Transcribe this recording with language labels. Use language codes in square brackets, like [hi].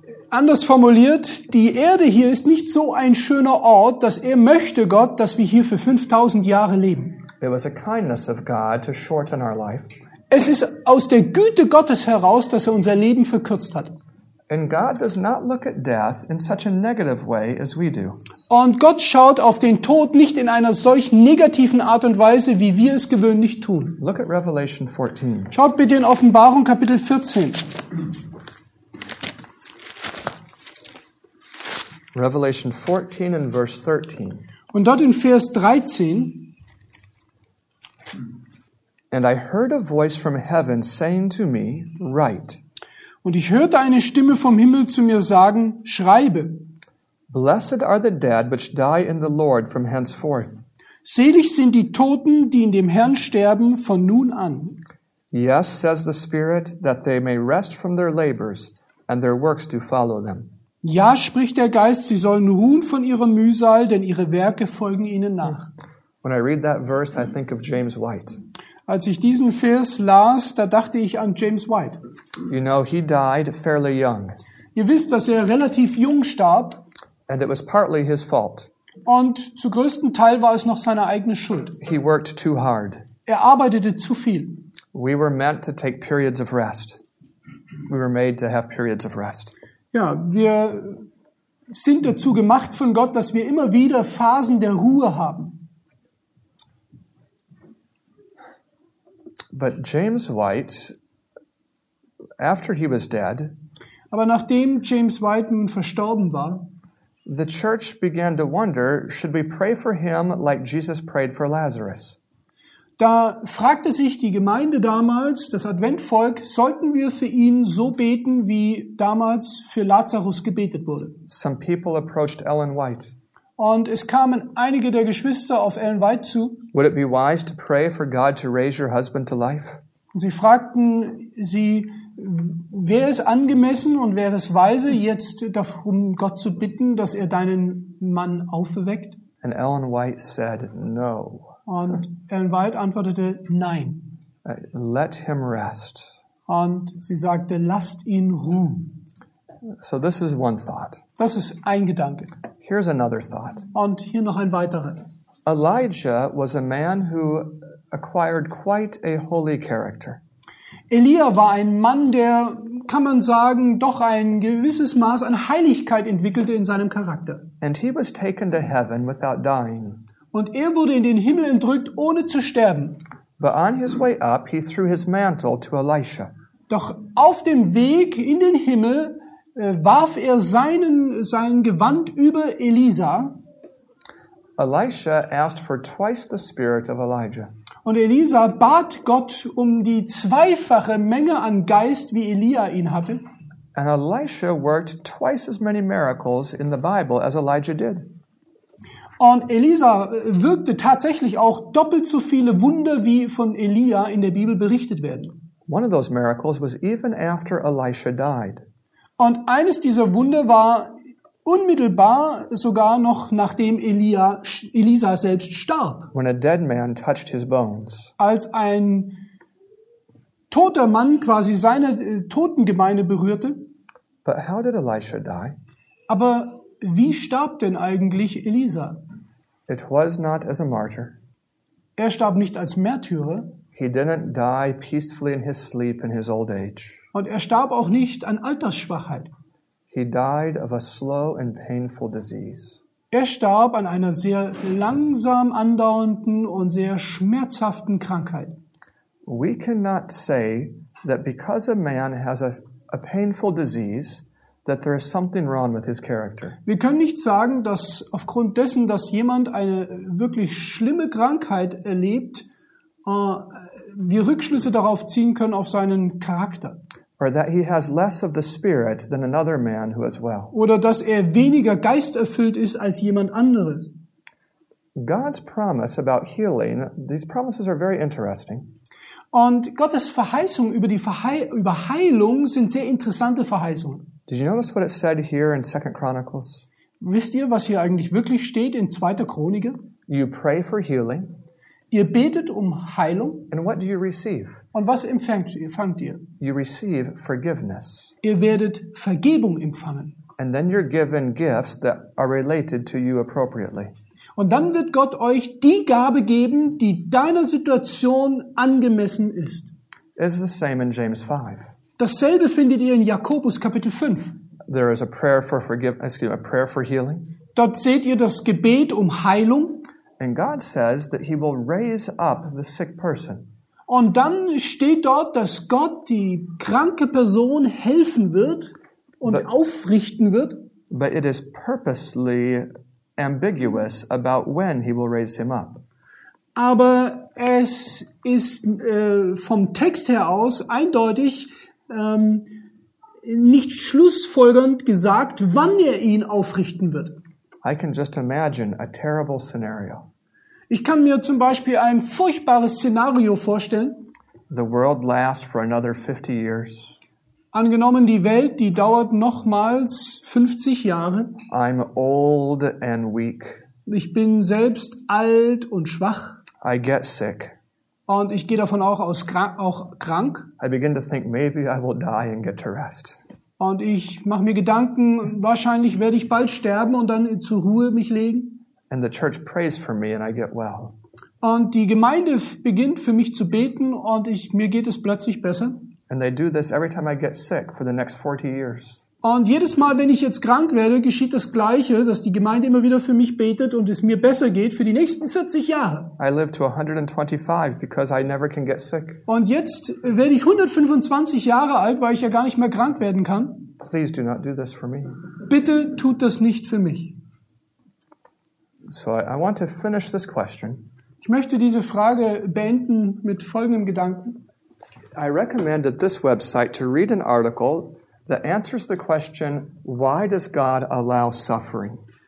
[de] Anders formuliert, die Erde hier ist nicht so ein schöner Ort, dass er möchte Gott, dass wir hier für 5000 Jahre leben. [en] It was a kindness of God to shorten our life. [de] Es ist aus der Güte Gottes heraus, dass er unser Leben verkürzt hat. [en] And God does not look at death in such a negative way as we do. [de] Und Gott schaut auf den Tod nicht in einer solch negativen Art und Weise, wie wir es gewöhnlich tun. [en] Look at Revelation 14. [de] Schaut bitte in Offenbarung Kapitel 14. [en] Revelation 14 and verse 13. [de] Und dort in Vers 13. [en] And I heard a voice from heaven saying to me, write. [de] Und ich hörte eine Stimme vom Himmel zu mir sagen, schreibe. [en] Blessed are the dead which die in the Lord from henceforth. [de] Selig sind die Toten, die in dem Herrn sterben von nun an. [en] Yes, says the Spirit, that they may rest from their labors and their works do follow them. [de] Ja, spricht der Geist, sie sollen ruhen von ihrer Mühsal, denn ihre Werke folgen ihnen nach. [en] When I read that verse, I think of James White. [de] Als ich diesen Vers las, da dachte ich an James White. [en] You know, he died fairly young. [de] Ihr wisst, dass er relativ jung starb. [en] And it was partly his fault. [de] Und zu größten Teil war es noch seine eigene Schuld. [en] He worked too hard. [de] Er arbeitete zu viel. [en] We were meant to take periods of rest. We were made to have periods of rest. [de] Ja, wir sind dazu gemacht von Gott, dass wir immer wieder Phasen der Ruhe haben. [en] But James White, after he was dead, [de] aber nachdem James White nun verstorben war, [en] the church began to wonder, should we pray for him like Jesus prayed for Lazarus? [de] Da fragte sich die Gemeinde damals, das Adventvolk, sollten wir für ihn so beten, wie damals für Lazarus gebetet wurde? [en] Some people approached Ellen White. [de] Und es kamen einige der Geschwister auf Ellen White zu. [en] Would it be wise to pray for God to raise your husband to life? [de] Und sie fragten sie, wäre es angemessen und wäre es weise, jetzt darum Gott zu bitten, dass er deinen Mann aufweckt? [en] And Ellen White said no. [de] Und Ellen White antwortete nein. [en] Let him rest. [de] Und sie sagte, lasst ihn ruhen. [en] So this is one thought. [de] Das ist ein Gedanke. [en] Here's another thought. [de] Und hier noch ein weiterer. [en] Elijah was a man who acquired quite a holy character. [de] Elia war ein Mann, der, kann man sagen, doch ein gewisses Maß an Heiligkeit entwickelte in seinem Charakter. [en] And he was taken to heaven without dying. [de] Und er wurde in den Himmel entrückt, ohne zu sterben. [en] But on his way up, he threw his mantle to Elisha. [de] Doch auf dem Weg in den Himmel warf er sein Gewand über Elisa. [en] Elisha asked for twice the spirit of Elijah. [de] Und Elisa bat Gott um die zweifache Menge an Geist, wie Elia ihn hatte. [en] And Elisha worked twice as many miracles in the Bible as Elijah did. [de] Und Elisa wirkte tatsächlich auch doppelt so viele Wunder, wie von Elia in der Bibel berichtet werden. [en] One of those miracles was even after Elisha died. [de] Und eines dieser Wunder war unmittelbar sogar noch nachdem Elisa selbst starb. [en] When a dead man touched his bones. [de] Als ein toter Mann quasi seine Totengebeine berührte. [en] But how did Elisha die? [de] Aber wie starb denn eigentlich Elisa? [en] It was not as a martyr. [de] Er starb nicht als Märtyrer. [en] He didn't die peacefully in his sleep in his old age. [de] Und er starb auch nicht an Altersschwachheit. [en] He died of a slow and painful disease. [de] Er starb an einer sehr langsam andauernden und sehr schmerzhaften Krankheit. [en] We cannot say that because a man has a painful disease that there is something wrong with his character. [de] Wir können nicht sagen, dass aufgrund dessen, dass jemand eine wirklich schlimme Krankheit erlebt, wir Rückschlüsse darauf ziehen können auf seinen Charakter. [en] Or that he has less of the spirit than another man who is well. [de] Oder dass er weniger geisterfüllt ist als jemand anderes. [en] God's promise about healing, these promises are very interesting. [de] Und Gottes Verheißung über die über Heilung sind sehr interessante Verheißungen. [en] Did you notice what it said here in 2 Chronicles? [de] Wisst ihr, was hier eigentlich wirklich steht in 2. Chronik? [en] You pray for healing. [de] Ihr betet um Heilung. [en] And what do you receive? [de] Und was empfangt ihr? [en] You receive forgiveness. [de] Ihr werdet Vergebung empfangen. [en] And then you're given gifts that are related to you appropriately. [de] Und dann wird Gott euch die Gabe geben, die deiner Situation angemessen ist. [en] It's the same in James 5. [de] Dasselbe findet ihr in Jakobus Kapitel 5. [en] There is a prayer for a prayer for healing. [de] Dort seht ihr das Gebet um Heilung. [en] And God says that he will raise up the sick person. [de] Und dann steht dort, dass Gott die kranke Person helfen wird und aufrichten wird. [en] But it is purposely ambiguous about when he will raise him up. [de] Aber es ist vom Text her aus eindeutig nicht schlussfolgernd gesagt, wann er ihn aufrichten wird. [en] I can just imagine a terrible scenario. [de] Ich kann mir zum Beispiel ein furchtbares Szenario vorstellen. [en] The world lasts for another 50 years. [de] Angenommen, die Welt, die dauert nochmals 50 Jahre. [en] I'm old and weak. [de] Ich bin selbst alt und schwach. [en] I get sick. [de] Und ich gehe davon auch aus auch krank. [en] I begin to think maybe I will die and get to rest. [de] Und ich mache mir Gedanken, wahrscheinlich werde ich bald sterben und dann zur Ruhe mich legen. [en] And the church prays for me and I get well. [de] Und die Gemeinde beginnt für mich zu beten und mir geht es plötzlich besser. [en] And they do this every time I get sick for the next 40 years. [de] Und jedes Mal, wenn ich jetzt krank werde, geschieht das Gleiche, dass die Gemeinde immer wieder für mich betet und es mir besser geht für die nächsten 40 Jahre. [en] I live to 125 because I never can get sick. [de] Und jetzt werde ich 125 Jahre alt, weil ich ja gar nicht mehr krank werden kann. [en] Please do not do this for me. [de] Bitte tut das nicht für mich. [en] So I want to finish this question. [de] Ich möchte diese Frage beenden mit folgendem Gedanken. [en] I recommend at this website to read an article that answers the question, why does God allow suffering?